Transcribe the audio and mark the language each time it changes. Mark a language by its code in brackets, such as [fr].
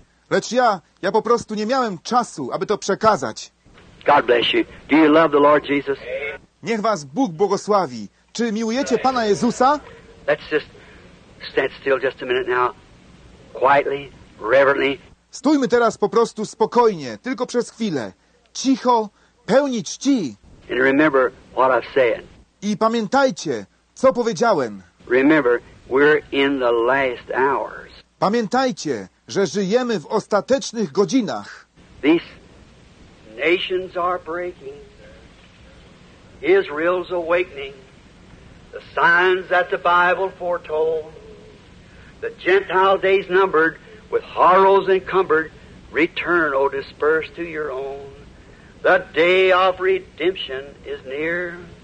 [pl] Lecz ja po prostu nie miałem czasu, aby to przekazać. [en] God bless you. Do you love the Lord Jesus? [pl] Niech was Bóg błogosławi. Czy miłujecie Pana Jezusa? [en] Let's just stand still just a minute now. Quietly, reverently. [pl] Stójmy teraz po prostu spokojnie, tylko przez chwilę. Cicho, pełni czci. [en] And remember what I've said. [pl] I pamiętajcie, co powiedziałem. [en] Remember, we're in the last hours. [pl] Pamiętajcie, że żyjemy w ostatecznych godzinach. [en] These nations are breaking. Israel's awakening. The signs that the Bible foretold. The Gentile days numbered, with horrors encumbered. Return, O dispersed, to your own. The day of redemption is near.